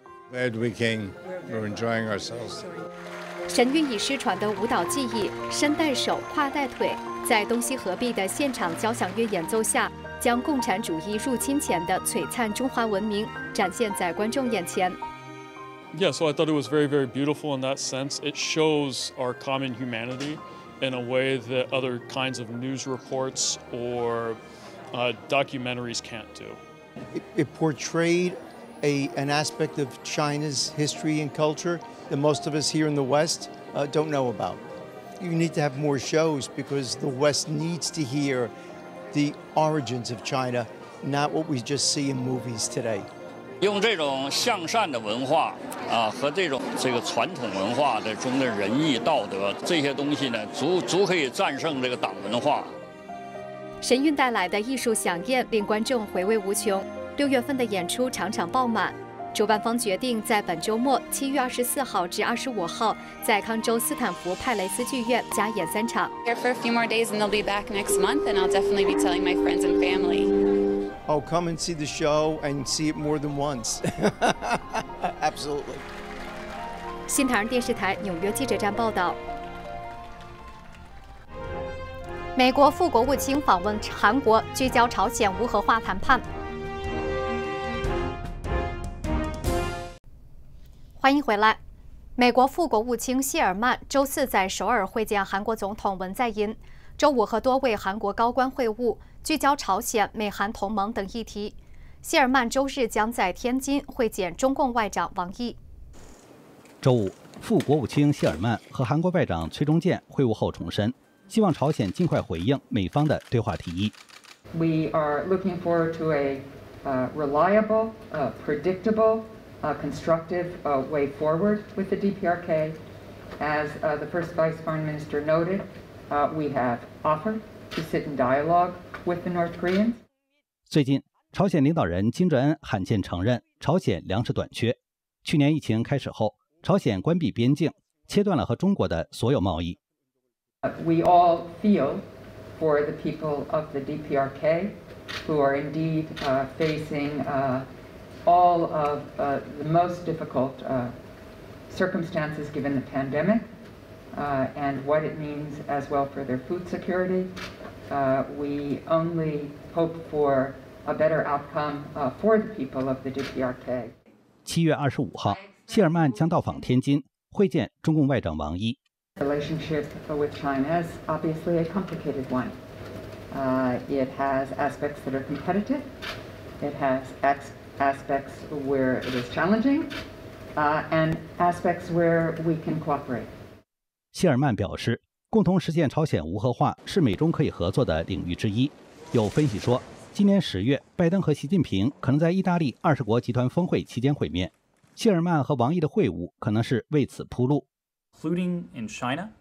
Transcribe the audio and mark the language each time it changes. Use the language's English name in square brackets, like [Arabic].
[English] Glad we came. We're enjoying ourselves. [Chinese] 神韵已失传的舞蹈技艺，身带手，胯带腿，在东西合璧的现场交响乐演奏下，将共产主义入侵前的璀璨中华文明展现在观众眼前。 [English] Yeah, so I thought it was very, very beautiful in that sense. It shows our common humanity. in a way that other kinds of news reports or documentaries can't do. It portrayed an aspect of China's history and culture that most of us here in the West don't know about. You need to have more shows because the West needs to hear the origins of China, not what we just see in movies today. [Chinese] 用这种向善的文化啊，和这个传统文化的中的仁义道德这些东西呢，足可以战胜这个党文化。神韵带来的艺术响宴令观众回味无穷，六月份的演出场场爆满。主办方决定在本周末7月24号至25号在康州斯坦福派雷斯剧院加演三场。 [English] Here for a few more days, and they'll be back next month, and I'll definitely be telling my friends and family. Oh, come and see the show and see it more than once. Absolutely. [Chinese] 新唐人电视台纽约记者站报道。美国副国务卿访问韩国，聚焦朝鲜无核化谈判。欢迎回来。美国副国务卿谢尔曼周四在首尔会见韩国总统文在寅，周五和多位韩国高官会晤，聚焦朝鲜、美韩同盟等议题。谢尔曼周日将在天津会见中共外长王毅。周五，副国务卿谢尔曼和韩国外长崔忠建会晤后重申，希望朝鲜尽快回应美方的对话提议。 [English] We are looking forward to a reliable, predictable. A constructive way forward with the DPRK. As the first vice foreign minister noted, we have offered to sit in dialogue with the North Koreans. [Chinese] 最近，朝鲜领导人金正恩罕见承认朝鲜粮食短缺。去年疫情开始后，朝鲜关闭边境，切断了和中国的所有贸易。 [English] We all feel for the people of the DPRK who are indeed facing all of the most difficult circumstances given the pandemic and what it means as well for their food security. We only hope for a better outcome for the people of the DPRK. [Chinese] 7月25号，谢尔曼将到访天津，会见中共外长王毅。 [English] The relationship with China is obviously a complicated one. It has aspects that are competitive. It has aspects where it is challenging, and aspects where we can cooperate. [Chinese] 谢尔曼表示，共同实现朝鲜无核化是美中可以合作的领域之一。有分析说，今年十月，拜登和习近平可能在意大利二十国集团峰会期间会面，谢尔曼和王毅的会晤可能是为此铺路。 [English] Including in China,